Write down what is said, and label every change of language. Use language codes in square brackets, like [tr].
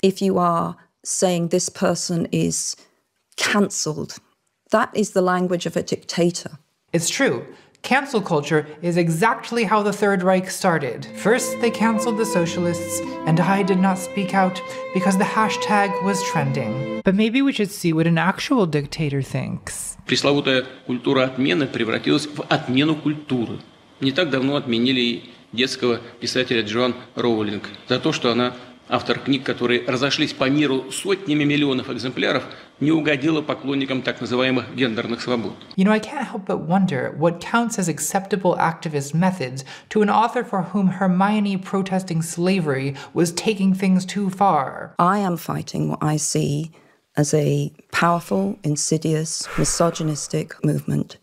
[en] If you are saying this person is cancelled, that is the language of a dictator. It's true. Cancel culture is exactly how the Third Reich started. First, they canceled the socialists, and I did not speak out because the hashtag was trending. But maybe we should see what an actual dictator thinks. [ru] Пресловутая культура отмены превратилась в отмену культуры. Не так давно отменили детского писателя Джоан Роулинг за то, что она автор книг, которые разошлись по миру сотнями миллионов экземпляров, не угодила поклонникам так называемых гендерных свобод. [en] You know, I can't help but wonder what counts as acceptable activist methods to an author for whom Hermione protesting slavery was taking things too far. I am fighting what I see as a powerful, insidious, misogynistic movement.